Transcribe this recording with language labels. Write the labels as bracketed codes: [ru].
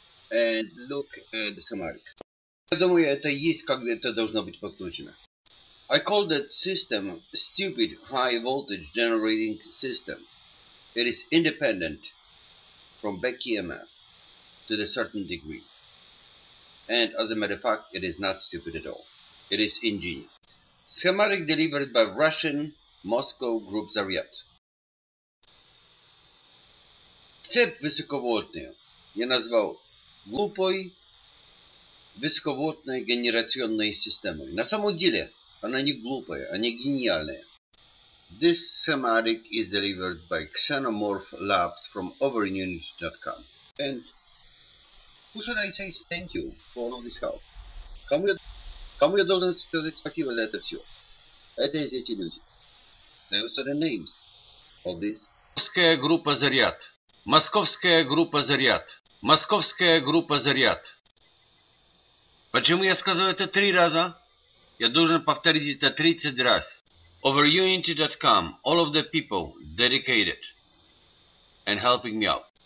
[en] And look at the schematic. [ru] Я думаю, это есть, как это должно быть подключено. [en] I call that system stupid high voltage generating system. It is independent from back EMF to a certain degree. And as a matter of fact, it is not stupid at all. It is ingenious. Schematic delivered by Russian Moscow Group Zaryat. [ru] Цепь высоковольтную я назвал глупой высоковольтной генерационной системой. На самом деле, она не глупая, она гениальная. [en] This schematic is delivered by Xenomorph Labs from overunit.com. And who should I say thank you for all of this help? [ru] Кому я должен сказать спасибо за это все? Это из этих людей. [en] Those are the names of this. [ru] Московская группа Заряд. Московская группа Заряд. Московская группа Заряд. Почему я сказал это 3 раза? Я должен повторить это 30 раз. [en] Overunity.com, all of the people dedicated and helping me out.